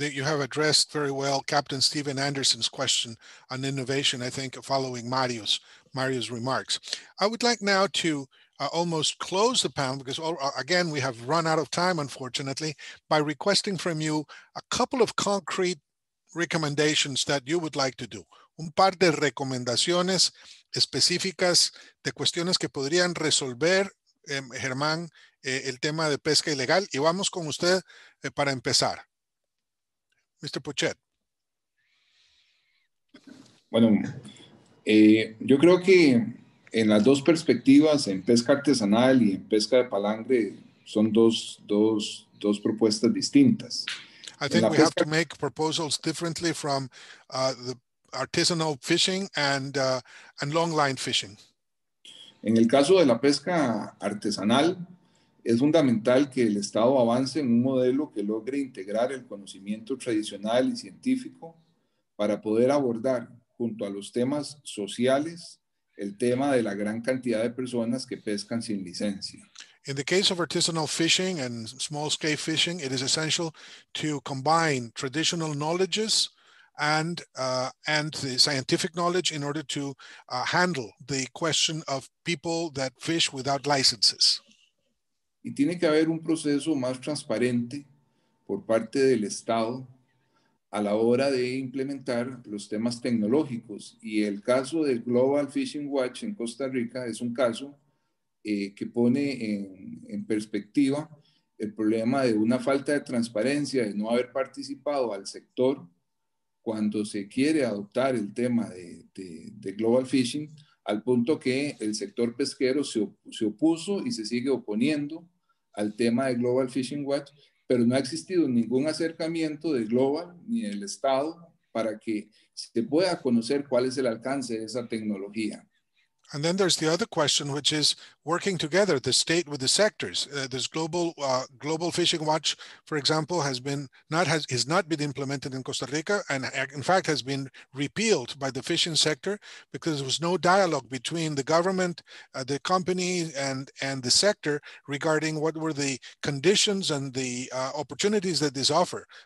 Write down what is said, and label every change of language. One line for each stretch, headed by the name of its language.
English: You have addressed very well Captain Stephen Anderson's question on innovation, I think, following Mario's remarks. I would like now to almost close the panel, because again, we have run out of time, unfortunately, by requesting from you a couple of concrete recommendations that you would like to do.
Spanish: Un par de recomendaciones específicas de cuestiones que podrían resolver, Germán, el tema de pesca ilegal. Y vamos con usted para empezar. Mr. Pochet. Bueno, yo creo que en las dos perspectivas, en pesca artesanal y en pesca de palangre, son dos propuestas distintas.
English: I think we have to make proposals differently from the artisanal fishing and longline fishing.
Spanish: En el caso de la pesca artesanal, es fundamental que el Estado avance en un modelo que logre integrar el conocimiento tradicional y científico para poder abordar, junto a los temas sociales, el tema de la gran cantidad de personas que pescan sin licencia.
English: In the case of artisanal fishing and small-scale fishing, it is essential to combine traditional knowledges and the scientific knowledge in order to handle the question of people that fish without licenses.
Spanish: Y tiene que haber un proceso más transparente por parte del Estado a la hora de implementar los temas tecnológicos. Y el caso del Global Fishing Watch en Costa Rica es un caso que pone en perspectiva el problema de una falta de transparencia, de no haber participado al sector cuando se quiere adoptar el tema de Global Fishing, al punto que el sector pesquero se opuso y se sigue oponiendo al tema de Global Fishing Watch, pero no ha existido ningún acercamiento de Global ni del Estado para que se pueda conocer cuál es el alcance de esa tecnología.
English: And then there's the other question, which is working together, the state with the sectors. There's Global Fishing Watch, for example, has not been implemented in Costa Rica, and in fact has been repealed by the fishing sector because there was no dialogue between the government, the company, and the sector regarding what were the conditions and the opportunities that this offer.